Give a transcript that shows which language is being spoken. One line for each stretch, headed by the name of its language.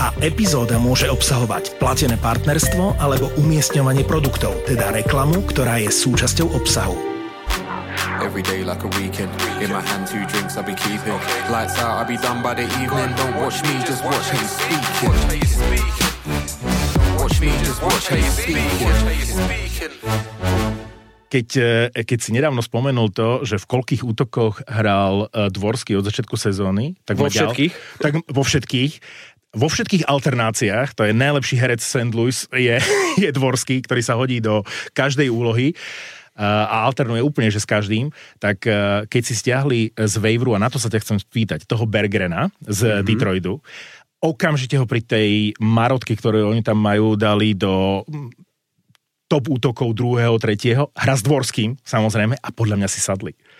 Slovak: A epizóda môže obsahovať platené partnerstvo alebo umiestňovanie produktov, teda reklamu, ktorá je súčasťou obsahu.
English: Every day like a weekend, in my hand two drinks I'll be keeping. Lights out, I'll be done by the evening. Don't watch me, just watch him speak. Watch me, just watch him speak. Watch me, just watch him speak.
Slovak: Keď si nedávno spomenul to, že v koľkých útokoch hral Dvorský od začiatku sezóny, tak vo všetkých? Vo všetkých alternáciách, to je najlepší herec St. Louis, je Dvorský, ktorý sa hodí do každej úlohy a alternuje úplne, že s každým, tak keď si stiahli z waiveru, a na to sa ťa chcem spýtať, toho Berggrena z Detroitu, okamžite ho pri tej marotke, ktorú oni tam majú, dali do top útokov druhého, tretieho, hra s Dvorským, samozrejme, a podľa mňa si sadli.